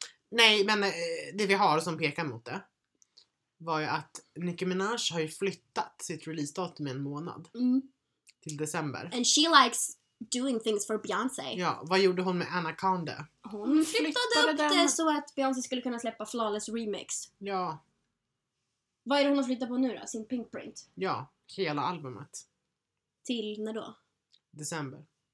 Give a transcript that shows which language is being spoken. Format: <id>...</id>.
<sv>Nej, men det vi har som pekar mot det var ju att Nicki Minaj har ju flyttat sitt release datum en månad. Mm. Till december.</sv> <en>And she likes doing things for Beyoncé.</en> <sv>Ja, vad gjorde hon med Anaconda? Hon flyttade upp det så att Beyoncé skulle kunna släppa Flawless Remix. Ja. Vad är det hon har flyttat på nu då? Sin pink print? Ja, hela albumet. Till när då? December.</sv>